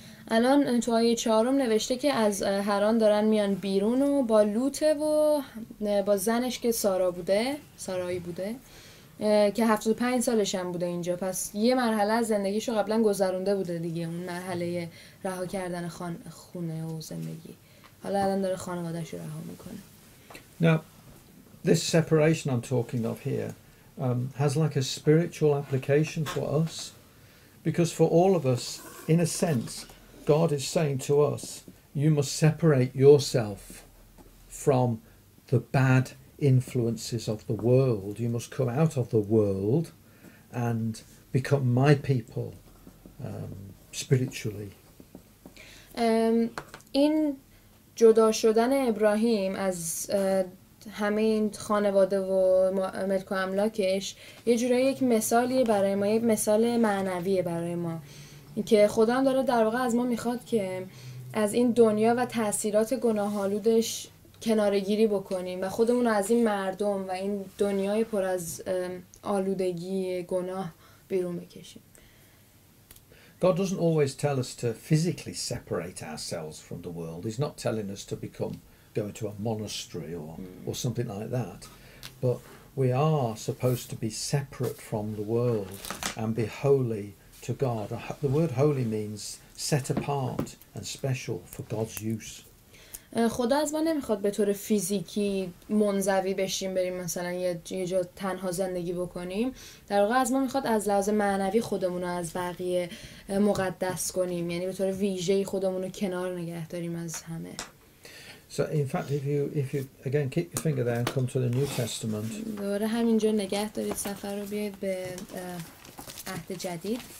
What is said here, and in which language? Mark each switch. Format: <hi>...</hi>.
<fa>الان تو آیه چهارم نوشته که از هران دارن میان بیرون و با لوته و با زنش که سارا بوده، سارایی بوده که 75 سالش هم بوده اینجا، پس یه مرحله از زندگیشو قبلا گذرونده بوده دیگه، اون مرحله رها کردن خونه و زندگی، حالا الان داره خانوادهشو رها میکنه.</fa> <en>Now this separation I'm talking of here has like a spiritual application for us, because for all of us in a sense God is saying to us, you must separate yourself from the bad influences of the world. You must come out of the world and become my people spiritually.</en> <fa>In جدا شدن ابراهیم از همه این خانواده و ملک و املاکش یه جوری یک مثالی برای ما، یک مثال معنوی برای ما، که خدا داره در واقع از ما میخواد که از این دنیا و تأثیرات گناهالودش کنارگیری بکنیم و خودمون رو از این مردم و این دنیای پر از آلودگی گناه بیرون بکشیم.</fa> <en>God doesn't always tell us to physically separate ourselves from the world. He's not telling us to become going to a monastery or something like that. But we are supposed to be separate from the world and be holy to God. The word holy means set apart and special for God's use.</en> <fa>خدا از ما نمیخواد به طور فیزیکی منزوی بشیم، بریم مثلا یه جا تنها زندگی بکنیم. در واقع از ما میخواد از لحاظ معنوی خودمون رو از بقیه مقدس کنیم، یعنی به طور ویژه‌ای خودمون رو کنار نگه داریم از همه.</fa> <en>So in fact if you again keep your finger there and come to the New Testament.</en> <fa>دوباره همینجا نگه دارید سفر رو، بیاید به عهد جدید.</fa>